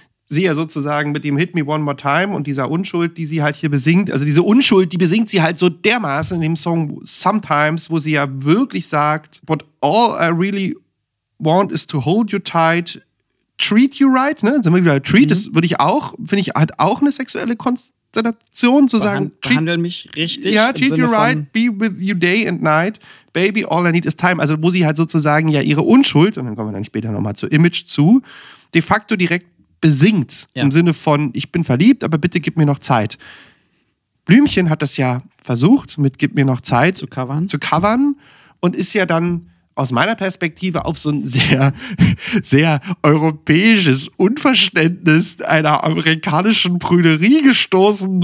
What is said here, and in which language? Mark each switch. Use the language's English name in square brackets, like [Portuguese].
[German] Sie ja sozusagen mit dem Hit Me One More Time und dieser Unschuld, die sie halt hier besingt, also diese Unschuld, die besingt sie halt so dermaßen in dem Song Sometimes, wo sie ja wirklich sagt, [English] what all I really want is to hold you tight, treat you right, [German] ne? Sind wir wieder treat, das würde ich auch, finde ich, hat auch eine sexuelle Konstellation zu sagen. Behandle mich richtig. [English] Ja, treat you right, be with you day and night, baby, all I need is time. [German] Also, wo sie halt sozusagen ja ihre Unschuld, und dann kommen wir dann später nochmal zu Image zu, de facto direkt besingt, ja. im Sinne von, ich bin verliebt, aber bitte gib mir noch Zeit. Blümchen hat das ja versucht, mit gib mir noch Zeit zu covern und ist ja dann aus meiner Perspektive auf so ein sehr, sehr europäisches Unverständnis einer amerikanischen Prüderie gestoßen.